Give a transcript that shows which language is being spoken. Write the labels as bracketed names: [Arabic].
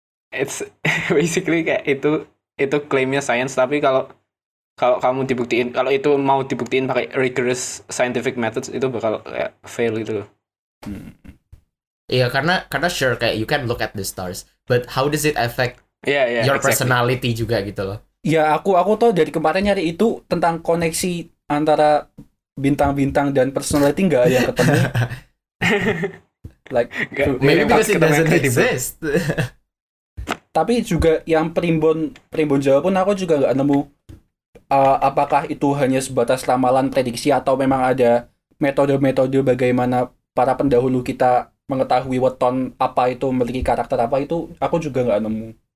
[Indonesian] It's basically kayak itu klaimnya science tapi kalau kamu dibuktiin, kalau itu mau dibuktiin pakai [English] rigorous scientific methods [Indonesian] itu bakal kayak fail gitu. Iya, karena [English] sure kayak you can look at the stars, but how does it affect your exactly. [Indonesian] personality juga gitu loh. Ya, aku tuh dari kemarin nyari itu tentang koneksi antara bintang-bintang dan personality enggak yang ketemu. [English] Like maybe because it doesn't exist. [Indonesian] Tapi juga yang primbon Jawa pun aku juga enggak nemu apakah itu hanya sebatas ramalan prediksi atau memang ada metode-metode bagaimana para pendahulu kita mengetahui weton apa itu memiliki karakter apa, itu aku juga nggak nemu.